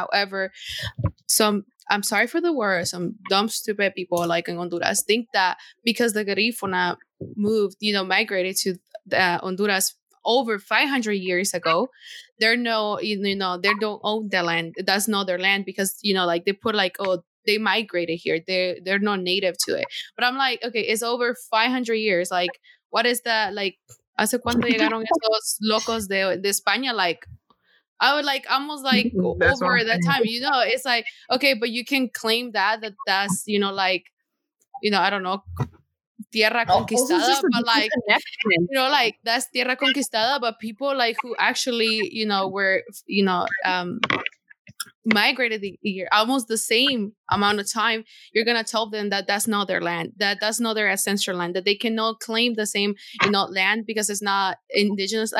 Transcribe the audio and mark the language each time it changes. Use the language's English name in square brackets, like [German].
[English] However, I'm sorry for the word, some dumb, stupid people like in Honduras think that because the Garifuna moved, you know, migrated to Honduras over 500 years ago, they're no, you know, they don't own the land. That's not their land because, you know, like they put like, oh, they migrated here. They're not native to it. But I'm like, okay, it's over 500 years. Like, what is that? [Spanish] Like, ¿hace cuánto llegaron esos locos de España? [English] Like, I would like almost like that's over that time, you know, it's like, okay, but you can claim that's, you know, like, you know, I don't know, [Spanish] tierra conquistada, [English] but like, you know, like that's tierra conquistada, but people like who actually, you know, were, you know, migrated the year, almost the same amount of time, you're going to tell them that that's not their land, that that's not their ancestral land, that they cannot claim the same, you know, land because it's not indigenous.